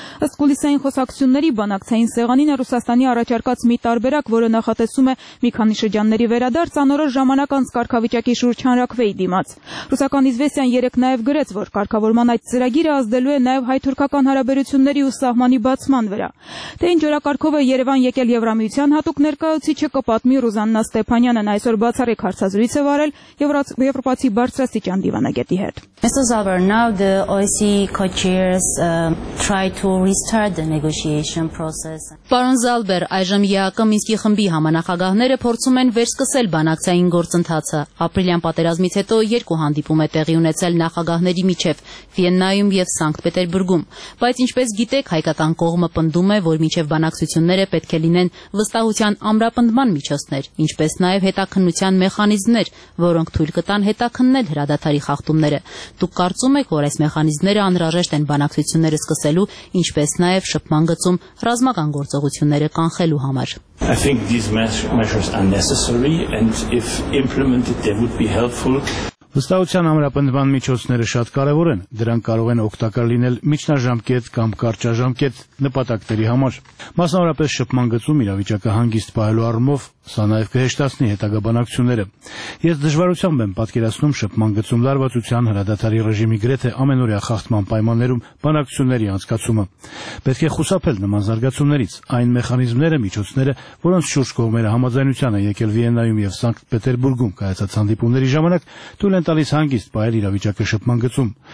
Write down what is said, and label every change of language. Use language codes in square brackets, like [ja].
[hy] Ըստ կուլիսային խոսակցությունների բանակցային սեղանին Ռուսաստանի առաջարկած մի տարբերակ, որը նախատեսում է մի քանի շրջանների վերադարձ, ցանորոշ ժամանակ անց կարգավիճակի շուրջ հանրակվեի դիմաց։ Ռուսական Իզվեստիան երեկ նաև գրեց, որ կարգավորման այդ ծրագիրը ազդելու է նաև հայ-թուրքական հարաբերությունների ու սահմանի բացման վրա։ Թե ինչ օրակարգով է Երևան եկել Եվրամիության հատուկ ներկայացուցիչը կպատմի Ռուզաննա Ստեփանյանն, այսօր բացառիկ հարցազրույց է վարել Եվրոպացի բարձրաստիճան դիվանագետի հետ։ [en] Mr. Zalber, now the OSCE co-chairs try to restart the negotiation process. [hy] Պարոն Զալբեր, այժմ ԵԱԿ-ի Մինսկի խմբի համանախագահները փորձում են վերսկսել բանակցային գործընթացը։ Ապրիլյան պատերազմից հետո երկու հանդիպում է տեղի ունեցել նախագահների միջև՝ Վիեննայում եւ Սանկտ Պետերբուրգում, բայց ինչպես գիտեք, հայկական կողմը պնդում է, որ միջև բանակցությունները պետք է լինեն վստահության ամրապնդման միջոցներ, ինչպես նաեւ հետաքննության մեխանիզմներ, որոնք թույլ կտան հետաքննել հրադադարի խախտումները։ Դուք կարծում եք, որ այս մեխանիզմները անհրաժեշտ են բանակցությունները սկսելու, ինչպես նաև շփման գծում ռազմական գործողությունները կանխելու համար։ [en] I think these measures are necessary and if implemented they would be helpful. [hy] Վստահության ամրապնդման միջոցները շատ կարևոր են, դրանք կարող են օգտակար լինել միջնաժամկետ կամ կարճաժամկետ նպատակների համար։ Մասնավորապես շփման գծում իրավիճակը հանգիստ պահելու առումով Սա նաև կհեշտացնի հետագա բանակցությունները։ Ես դժվարությամբ եմ պատկերացնում շփման գծում լարվածության հրադադարի ռեժիմի գրեթե ամենօրյա խախտման պայմաններում բանակցությունների անցկացումը։ Պետք է խուսափել նման զարգացումներից, այն մեխանիզմները, միջոցները, որոնց շուրջ կողմերը համաձայնության են եկել Վիեննայում և Սանկտ Պետերբուրգում կայացած հանդիպումների ժամանակ, թույլ են տալիս հանգիստ պահել իրավիճակը շփման գծում։